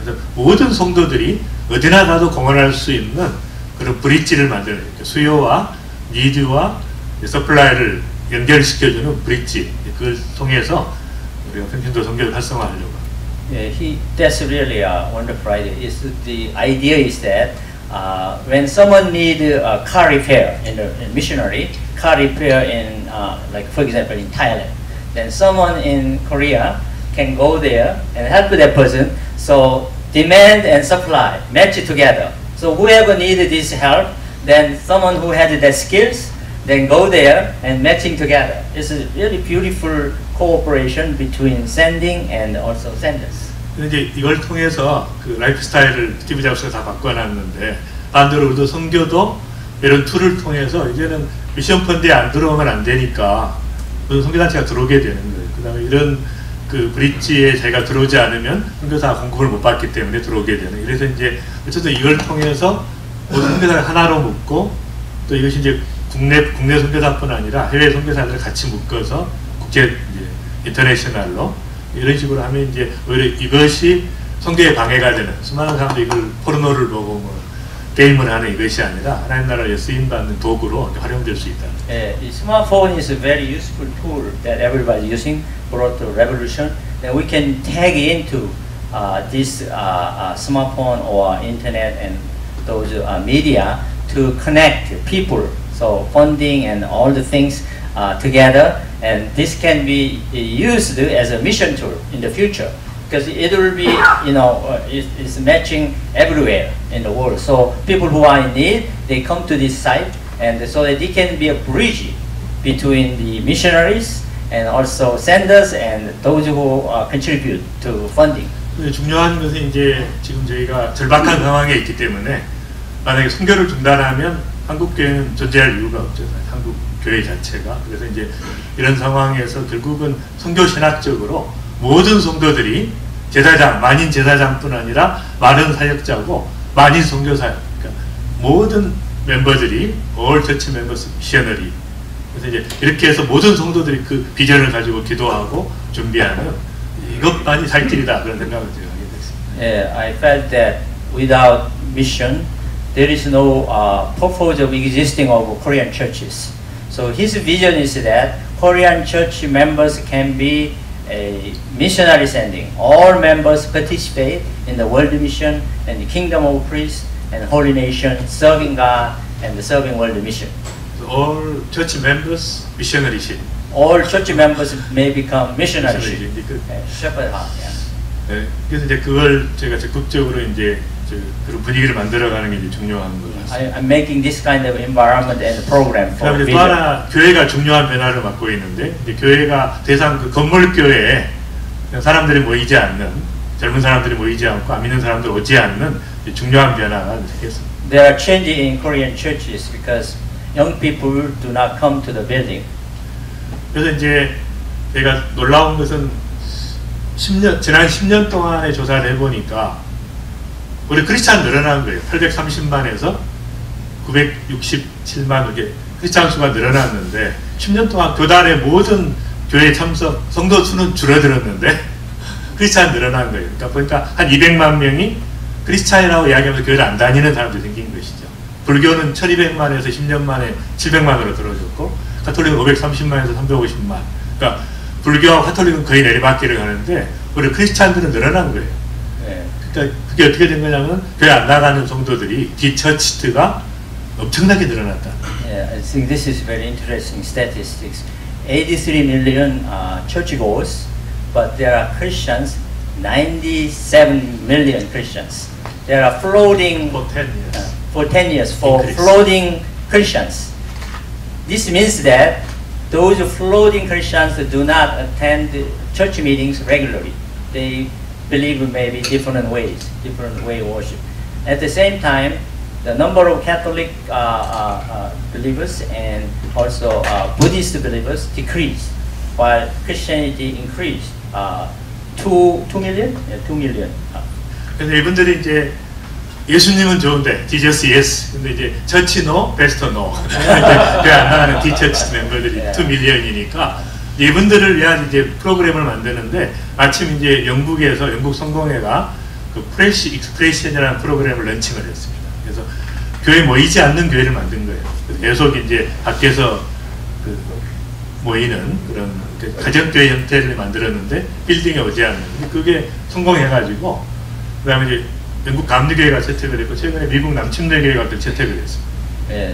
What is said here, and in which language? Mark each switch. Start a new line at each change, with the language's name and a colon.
Korean: 그래서 모든 성도들이 어디나 가도 공헌할 수 있는 그런 브릿지를 만드는 거죠. 수요와 니드와 서플라이를 연결시켜주는 브릿지. 그걸 통해서 우리가 평균도 성교를 활성화하려고.
English: Yeah, that's really a wonderful idea. Is the idea is that when someone need a car repair in a missionary car repair in like for example in Thailand. Then someone in Korea can go there and help that person. So demand and supply match together. So whoever needs this help, then someone who has the skills, then go there and matching together. It's a really beautiful cooperation between sending and also senders.
Korean: 이제 이걸 통해서 그 라이프스타일을 스티브 잡스가 다 바꿔놨는데 반대로 우리도 선교도 이런 툴을 통해서 이제는 미션 펀드에 안 들어오면 안 되니까. 그 선교단체가 들어오게 되는 거예요. 그다음에 이런 그 브릿지에 제가 들어오지 않으면 선교사 공급을 못 받기 때문에 들어오게 되는. 그래서 이제 어쨌든 이걸 통해서 모든 선교사를 하나로 묶고 또 이것이 이제 국내 선교사뿐 아니라 해외 선교사들을 같이 묶어서 국제 이제 인터내셔널로 이런 식으로 하면 이제 오히려 이것이 선교에 방해가 되는 수많은 사람들이 이걸 포르노를 보고 뭐 게임을 하는 것이 아니라 하나님 나라에 쓰임 받는 도구로 활용될 수 있다.
English: Yeah, smartphone is a very useful tool that everybody using brought the revolution. Then we can tag into this smartphone or internet and those media to connect people. So funding and all the things together, and this can be used as a mission tool in the future. Because it will be, you know, it's matching everywhere in the world. So people who are in need, they come to this site, and so that it can be a bridge between the missionaries and also senders and those who contribute to funding.
Korean: 중요한 것은 이제 지금 저희가 절박한 상황에 있기 때문에 만약에 선교를 중단하면 한국 교회는 존재할 이유가 없잖아요. 한국 교회 자체가 그래서 이제 이런 상황에서 결국은 선교 신학적으로. 모든 성도들이 제사장, 만인 제사장뿐 아니라 많은 사역자고 많은 선교사, 그러니까 모든 멤버들이
English: All Church Members Missionary.
Korean: 그래서 이제 이렇게 해서 모든 성도들이 그 비전을 가지고 기도하고 준비하는 이것만이 살 길이다 그런 생각을 제가 하게 됐습니다.
English: Yeah, I felt that without mission, there is no purpose of existing of Korean churches. So his vision is that Korean church members can be a missionary sending. All members participate in the world mission and the kingdom of priests and holy nation serving God and serving world mission. All church members missionaries. All church members may become missionaries. Shepherd heart.
Korean: 네, 그래서 이제 그걸 제가 적극적으로 이제 그런 분위기를 만들어가는 게 이제 중요한 거 같습니다.
English: I'm making this kind of environment and program for vision.
Korean: 또 하나 교회가 중요한 변화를 맡고 있는데 이제 교회가 대상 그 건물 교회에 사람들이 모이지 않는 젊은 사람들이 모이지 않고 안 믿는 사람들 오지 않는 중요한 변화가 생겼습니다.
English: There are changes in Korean churches because young people do not come to the building.
Korean: 그래서 이제 제가 놀라운 것은 10년, 지난 10년 동안에 조사를 해보니까 우리 크리스찬 늘어난 거예요. 830만에서 967만 이렇게 크리스찬 수가 늘어났는데 10년 동안 교단의 모든 교회 참석 성도 수는 줄어들었는데 크리스찬 늘어난 거예요. 그러니까 보니까 한 200만 명이 크리스찬이라고 이야기하면서 교회를 안 다니는 사람들이 생긴 것이죠. 불교는 1200만에서 10년 만에 700만으로 들어졌고 가톨릭은 530만에서 350만. 그러니까 불교와 가톨릭은 거의 내리막길을 가는데 우리 크리스찬들은 늘어난 거예요. 그러니까 그게 어떻게 된 거냐면 교회 안 나가는 성도들이 디처치트가 엄청나게 늘어났다.
English: Yeah, I think this is very interesting statistics. 83 million churchgoers, but there are Christians 97 million Christians. There are floating for 10 years floating Christians. This means that those floating Christians do not attend church meetings regularly. They believe maybe different ways, different way of worship. At the same time, the number of Catholic believers and also Buddhist believers decreased, while Christianity increased 2 million? Yeah, 2 million.
Korean: 그래서 이분들이 이제 예수님은 좋은데,
English: Jesus yes.
Korean: 근데 이제
English: church no, best no.
Korean: 교회 안 나가는 디처치 멤버들이
English: 2 million
Korean: 이니까 이분들을 위한 이제 프로그램을 만드는데 마침 이제 영국에서 영국 성공회가 그 Fresh Expression이라는 프로그램을 런칭을 했습니다. 그래서 교회 모이지 않는 교회를 만든 거예요. 계속 이제 밖에서 그 모이는 그런 그 가정교회 형태를 만들었는데 빌딩에 오지 않는 그게 성공해가지고 그 다음에 이제 영국 감리교회가 채택을 했고 최근에 미국 남침례교회가 또 채택을 했습니다. 네.